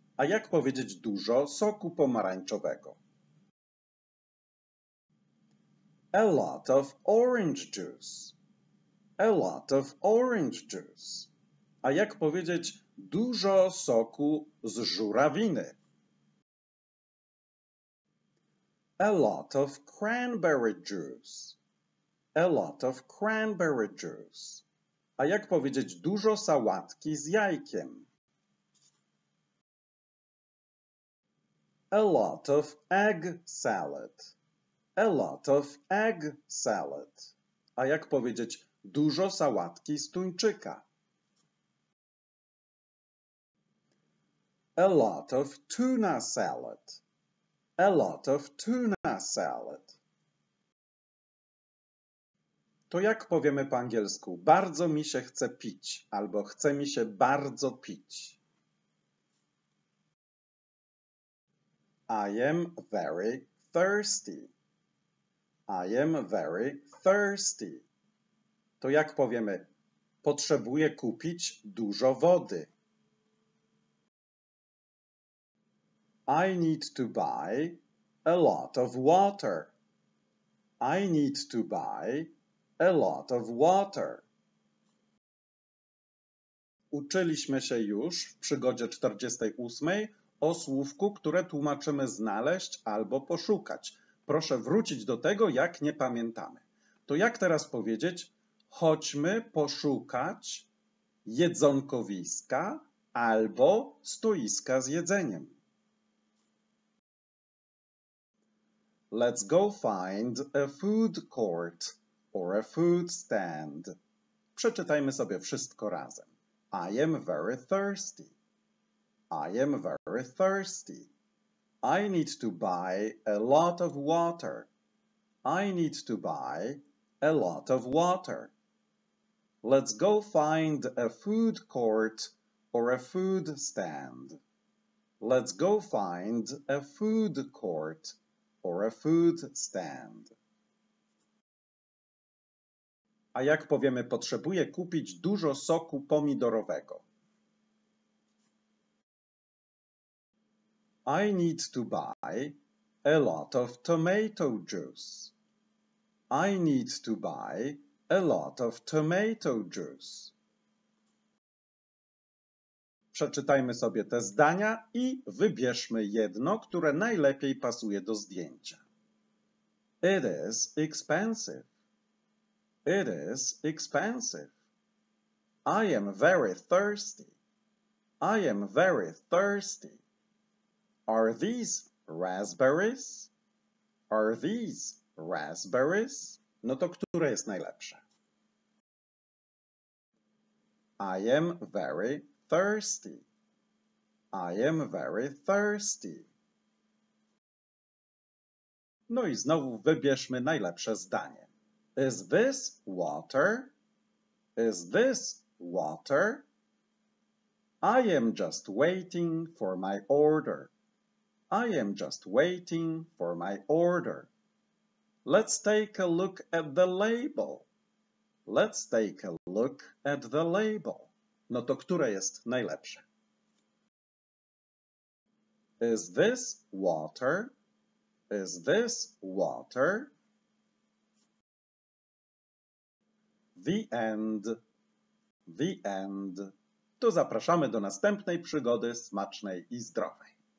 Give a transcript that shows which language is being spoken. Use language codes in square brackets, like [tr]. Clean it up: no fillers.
[pl] A jak powiedzieć dużo soku pomarańczowego? [en] A lot of orange juice. A lot of orange juice. [pl] A jak powiedzieć dużo soku z żurawiny? [en] A lot of cranberry juice. A lot of cranberry juice. [pl] A jak powiedzieć dużo sałatki z jajkiem? [en] A lot of egg salad. A lot of egg salad. [pl] A jak powiedzieć dużo sałatki z tuńczyka? [en] A lot of tuna salad. A lot of tuna salad. [pl] To jak powiemy po angielsku? Bardzo mi się chce pić. Albo chce mi się bardzo pić. [en] I am very thirsty. I am very thirsty. [pl] To jak powiemy? Potrzebuję kupić dużo wody. [en] I need to buy a lot of water. I need to buy a lot of water. [pl] Uczyliśmy się już w przygodzie 48 o słówku, które tłumaczymy znaleźć albo poszukać. Proszę wrócić do tego, jak nie pamiętamy. To jak teraz powiedzieć? Chodźmy poszukać jedzonkowiska albo stoiska z jedzeniem. [en] Let's go find a food court or a food stand. [pl] Przeczytajmy sobie wszystko razem. [en] I am very thirsty. I am very thirsty. I need to buy a lot of water. I need to buy a lot of water. Let's go find a food court or a food stand. Let's go find a food court. Or a food stand. [pl] A jak powiemy, potrzebuję kupić dużo soku pomidorowego. [en] I need to buy a lot of tomato juice. I need to buy a lot of tomato juice. [pl] Przeczytajmy sobie te zdania i wybierzmy jedno, które najlepiej pasuje do zdjęcia. [en] It is expensive. It is expensive. I am very thirsty. I am very thirsty. Are these raspberries? Are these raspberries? [pl] No to które jest najlepsze? [en] I am very thirsty. I am very thirsty. [pl] No i znowu wybierzmy najlepsze zdanie. [en] Is this water? Is this water? I am just waiting for my order. I am just waiting for my order. Let's take a look at the label. Let's take a look at the label. [pl] No to które jest najlepsze? [en] Is this water? Is this water? The end. The end. [pl] Tu zapraszamy do następnej przygody, smacznej i zdrowej.